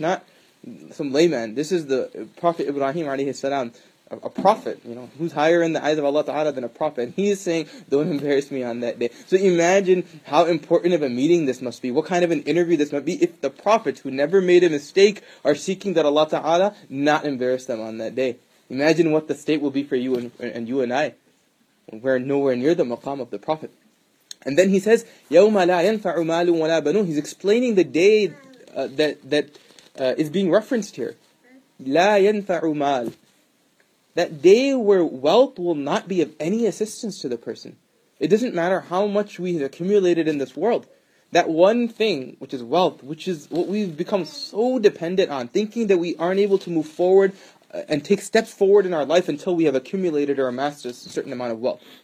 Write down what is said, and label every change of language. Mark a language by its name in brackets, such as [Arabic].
[English] Not some layman. This is the Prophet Ibrahim alayhi salam, a prophet, you know, who's higher in the eyes of Allah ta'ala than a prophet. And he is saying, don't embarrass me on that day. So imagine how important of a meeting this must be. What kind of an interview this might be if the prophets who never made a mistake are seeking that Allah ta'ala not embarrass them on that day. Imagine what the state will be for you and you and I. We're nowhere near the maqam of the prophet. [Arabic] And then he says, يَوْمَ لَا يَنْفَعُ مَالٌ وَلَا بَنُونَ. [English] He's explaining the day that is being referenced here. [Arabic] لَا يَنْفَعُ مَالٌ. [English] That day where wealth will not be of any assistance to the person. It doesn't matter how much we have accumulated in this world. That one thing, which is wealth, which is what we've become so dependent on, thinking that we aren't able to move forward and take steps forward in our life until we have accumulated or amassed a certain amount of wealth.